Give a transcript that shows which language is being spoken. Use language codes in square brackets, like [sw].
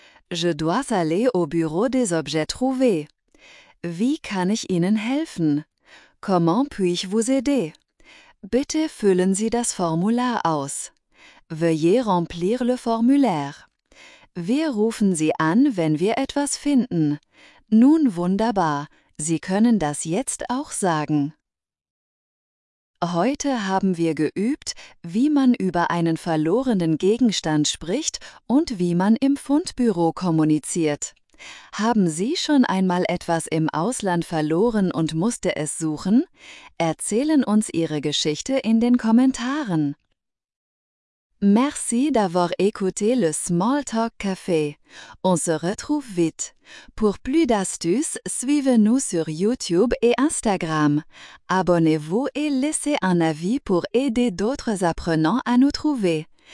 [fr] Je dois aller au bureau des objets trouvés. [de] Wie kann ich Ihnen helfen? [fr] Comment puis-je vous aider? [de] Bitte füllen Sie das Formular aus. [fr] Veuillez remplir le formulaire. [de] Wir rufen Sie an, wenn wir etwas finden. Nun wunderbar, Sie können das jetzt auch sagen. Heute haben wir geübt, wie man über einen verlorenen Gegenstand spricht und wie man im Fundbüro kommuniziert. Haben Sie schon einmal etwas im Ausland verloren und musste es suchen? Erzählen uns Ihre Geschichte in den Kommentaren. [fr] Merci d'avoir écouté le Small Talk Café. On se retrouve vite. Pour plus d'astuces, suivez-nous sur YouTube et Instagram. Abonnez-vous et laissez un avis pour aider d'autres apprenants à nous trouver.